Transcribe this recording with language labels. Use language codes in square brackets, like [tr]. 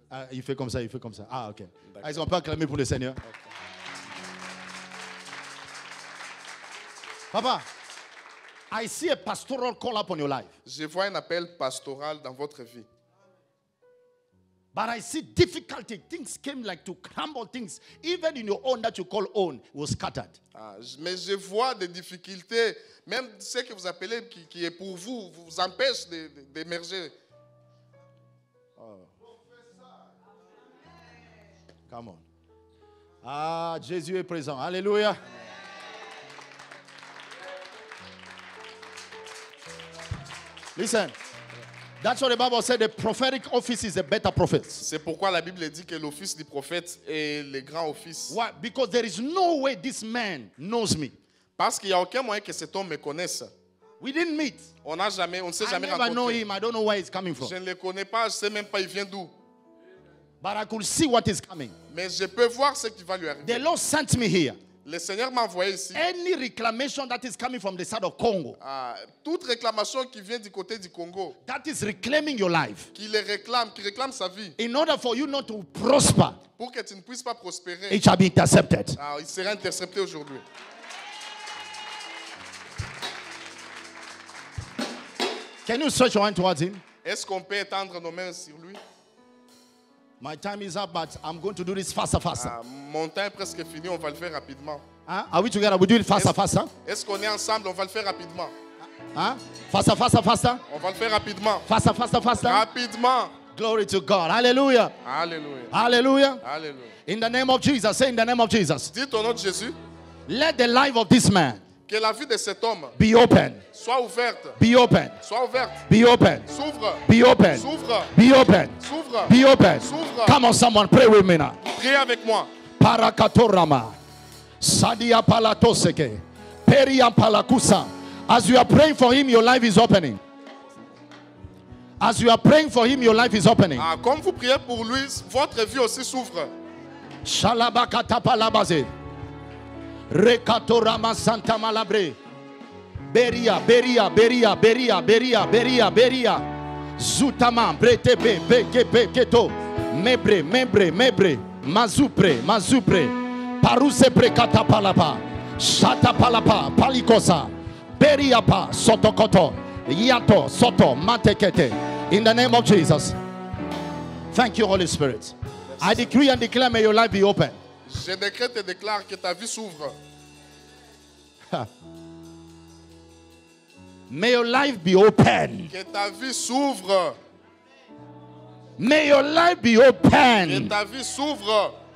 [fr] Il fait comme ça, il fait comme ça. Ah, ok. Ah, ils ont pas acclamé pour le Seigneur. [en] Okay. Papa, I see a pastoral call upon your life. [fr] Je vois un appel pastoral dans votre vie. [en] But I see difficulty. Things came like to crumble things. Even in your own that you call own was scattered. [fr] Ah, mais je vois des difficultés. Même ce que vous appelez qui est pour vous, vous empêche d'émerger. Oh. [en] Come on. [fr] Ah, Jésus est présent. Alléluia. [en] Listen. That's what the Bible said. The prophetic office is the better prophet. [fr] C'est pourquoi la Bible dit que l'office du prophète est le grand office. [en] Why? Because there is no way this man knows me. [fr] Parce qu'il y a aucun moyen que cet homme me connaisse. [en] We didn't meet. [fr] On n'a jamais, on ne s'est jamais rencontré. [en] I never know him. I don't know where he's coming from. [fr] Je ne le connais pas. Je ne sais même pas il vient d'où. [en] But I could see what is coming. [fr] Mais je peux voir ce qui va lui arriver. [en] The Lord sent me here. [fr] Le Seigneur m'a envoyé ici. [en] Any reclamation that is coming from the side of Congo. [fr] Toute réclamation qui vient du côté du Congo. [en] That is reclaiming your life. [fr] Qui le réclame, qui réclame sa vie. [en] In order for you not to prosper. [fr] Pour que tu ne puisses pas prospérer. [en] It shall be intercepted. [fr] Il sera intercepté aujourd'hui. [en] Can you stretch your hand towards him? [fr] Est-ce qu'on peut étendre nos mains sur lui? [en] My time is up, but I'm going to do this faster, faster. [fr] Mon temps est presque fini, on va le faire rapidement. [en] Are we together? We do it faster, faster. [fr] Est-ce qu'on est ensemble? On va le faire rapidement. [en] Faster, faster, faster. [fr] On va le faire rapidement. [en] Faster, faster, faster. [fr] Rapidement. [en] Glory to God. Hallelujah. Hallelujah. Hallelujah. Hallelujah. In the name of Jesus, say in the name of Jesus. [fr] Dis ton nom de Jésus. [en] Let the life of this man. [fr] Que la vie de cet homme [en] be open. [fr] Soit ouverte. [en] Be open. [fr] Soit ouverte. [en] Be open. [fr] S'ouvre. [en] Be open. [fr] S'ouvre. [en] Be open. [fr] S'ouvre. [en] Be open. [fr] S'ouvre. [en] Come on, someone, pray with me now. [fr] Priez avec moi. Parakatorama. Sadia palatoseke. Periam palakusa. [en] As you are praying for him, your life is opening. As you are praying for him, your life is opening. [fr] Comme vous priez pour lui, votre vie aussi s'ouvre. Shalabakata palabase. Rekatorama santa malabre. Beria, beria, beria, beria, beria, beria, beria. Zutama, bretebe, beke, beketo. Mebre, mebre, mebre. Mazupre, mazupre. Paruse prekata palapa. Shata palapa, palikosa. Beria pa, soto koto. Yato, soto, matekete. [en] In the name of Jesus. Thank you, Holy Spirit. I decree and declare, may your life be open. [fr] Je décrète et déclare que ta vie s'ouvre. [en] May your life be open. [fr] Que ta vie s'ouvre. [en] May your life be open. [fr] Que ta vie s'ouvre.